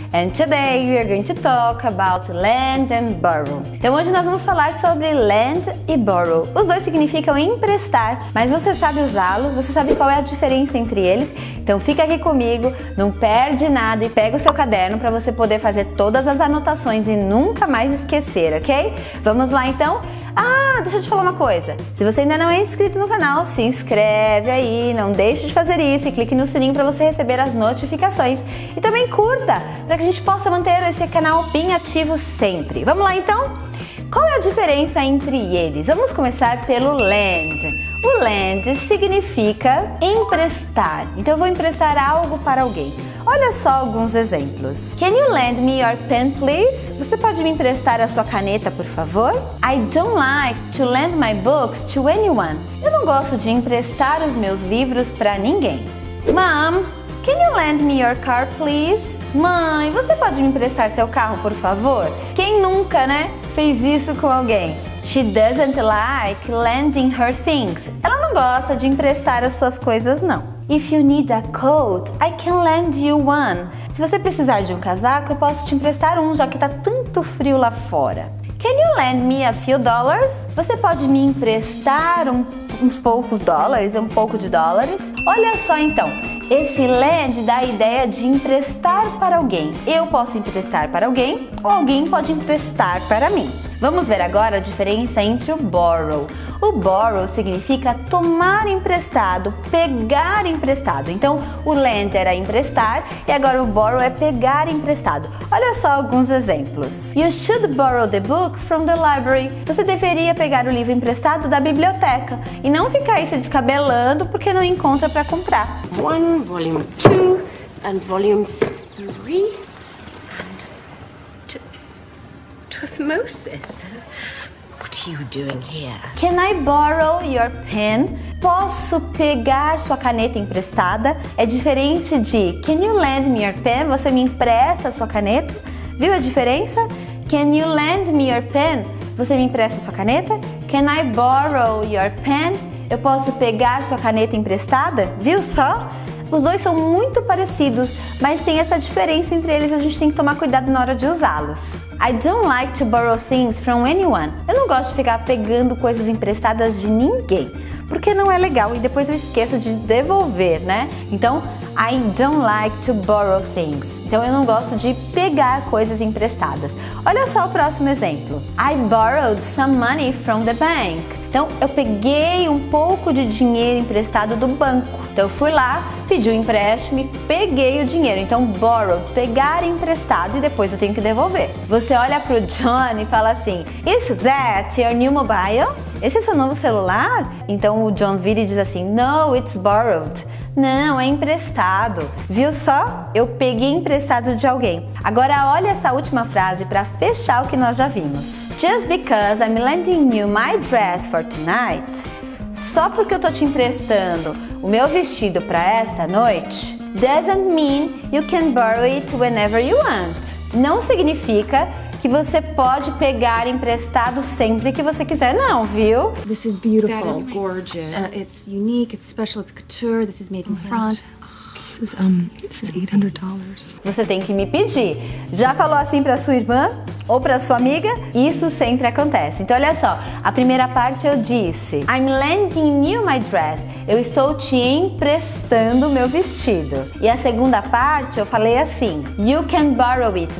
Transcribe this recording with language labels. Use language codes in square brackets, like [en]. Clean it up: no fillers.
[en] And today we are going to talk about lend and borrow. [pt] Então hoje nós vamos falar sobre lend e borrow. Os dois significam emprestar, mas você sabe usá-los, você sabe qual é a diferença entre eles. Então fica aqui comigo, não perde nada e pega o seu caderno para você poder fazer todas as anotações e nunca mais esquecer, ok? Vamos lá então? Ah, deixa eu te falar uma coisa. Se você ainda não é inscrito no canal, se inscreve aí, não deixe de fazer isso e clique no sininho para você receber as notificações. E também curta, para que a gente possa manter esse canal bem ativo sempre. Vamos lá então? Qual é a diferença entre eles? Vamos começar pelo lend. O lend significa emprestar. Então eu vou emprestar algo para alguém. Olha só alguns exemplos. [en] Can you lend me your pen, please? [pt] Você pode me emprestar a sua caneta, por favor? [en] I don't like to lend my books to anyone. [pt] Eu não gosto de emprestar os meus livros para ninguém. [en] Mom, can you lend me your car, please? [pt] Mãe, você pode me emprestar seu carro, por favor? Quem nunca, né, fez isso com alguém? [en] She doesn't like lending her things. [pt] Ela não gosta de emprestar as suas coisas, não. [en] If you need a coat, I can lend you one. [pt] Se você precisar de um casaco, eu posso te emprestar um, já que tá tanto frio lá fora. [en] Can you lend me a few dollars? [pt] Você pode me emprestar uns poucos dólares, um pouco de dólares? Olha só então, esse lend dá a ideia de emprestar para alguém. Eu posso emprestar para alguém ou alguém pode emprestar para mim. Vamos ver agora a diferença entre o borrow. O borrow significa tomar emprestado, pegar emprestado. Então, o lend era emprestar e agora o borrow é pegar emprestado. Olha só alguns exemplos. [en] You should borrow the book from the library. [pt] Você deveria pegar o livro emprestado da biblioteca e não ficar aí se descabelando porque não encontra para comprar. [en] One, volume two, and volume three. Moses, what are you doing here? Can I borrow your pen? [pt] Posso pegar sua caneta emprestada? É diferente de [en] Can you lend me your pen? [pt] Você me empresta sua caneta? Viu a diferença? [en] Can you lend me your pen? [pt] Você me empresta sua caneta? [en] Can I borrow your pen? [pt] Eu posso pegar sua caneta emprestada? Viu só? Os dois são muito parecidos, mas sem essa diferença entre eles, a gente tem que tomar cuidado na hora de usá-los. [en] I don't like to borrow things from anyone. [pt] Eu não gosto de ficar pegando coisas emprestadas de ninguém, porque não é legal e depois eu esqueço de devolver, né? Então, [en] I don't like to borrow things. [pt] Então, eu não gosto de pegar coisas emprestadas. Olha só o próximo exemplo. [en] I borrowed some money from the bank. [pt] Então, eu peguei um pouco de dinheiro emprestado do banco. Então, eu fui lá, pedi um empréstimo e peguei o dinheiro. Então, borrow, pegar emprestado e depois eu tenho que devolver. Você olha pro John e fala assim, [en] Is that your new mobile? [pt] Esse é seu novo celular? Então, o John vira e diz assim, [en] No, it's borrowed. [pt] Não, é emprestado. Viu só? Eu peguei emprestado de alguém. Agora, olha essa última frase para fechar o que nós já vimos. [en] Just because I'm lending you my dress for tonight, [pt] só porque eu tô te emprestando o meu vestido para esta noite, [en] doesn't mean you can borrow it whenever you want. [pt] Não significa que você pode pegar emprestado sempre que você quiser, não, viu? [en] This is beautiful. That is gorgeous. It's unique, it's special, it's couture, this is made in France. This is $800. [pt] Você tem que me pedir. Já falou assim pra sua irmã ou pra sua amiga? Isso sempre acontece. Então olha só, a primeira parte eu disse [en] I'm lending you my dress. [pt] Eu estou te emprestando meu vestido. E a segunda parte eu falei assim [en] You can borrow it.